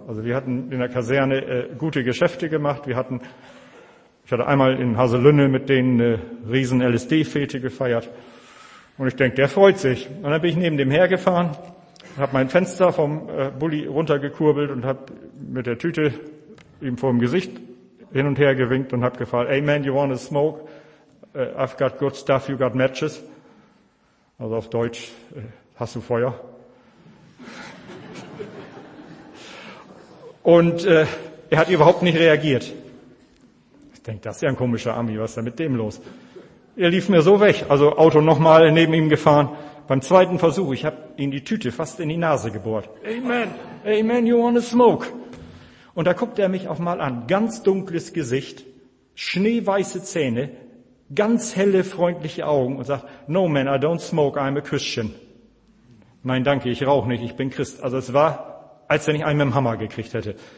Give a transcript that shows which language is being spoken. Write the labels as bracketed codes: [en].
[de] Also wir hatten in der Kaserne gute Geschäfte gemacht. Ich hatte einmal in Haselünne mit denen eine riesen LSD-Fete gefeiert. Und ich denke, der freut sich. Und dann bin ich neben dem hergefahren, habe mein Fenster vom Bulli runtergekurbelt und habe mit der Tüte ihm vor dem Gesicht hin und her gewinkt und habe gefragt, [en] hey man, you want a smoke? I've got good stuff, you got matches. [de] Also auf Deutsch, hast du Feuer? Und er hat überhaupt nicht reagiert. Ich denke, das ist ja ein komischer Ami, was ist da mit dem los? Er lief mir so weg, also Auto nochmal neben ihm gefahren. Beim zweiten Versuch, ich habe ihm die Tüte fast in die Nase gebohrt. [en] Amen, amen, you want a smoke? [de] Und da guckt er mich auch mal an, ganz dunkles Gesicht, schneeweiße Zähne, ganz helle, freundliche Augen und sagt, [en] no man, I don't smoke, I'm a Christian. [de] Nein, danke, ich rauche nicht, ich bin Christ. Also es war, als wenn ich einen mit dem Hammer gekriegt hätte.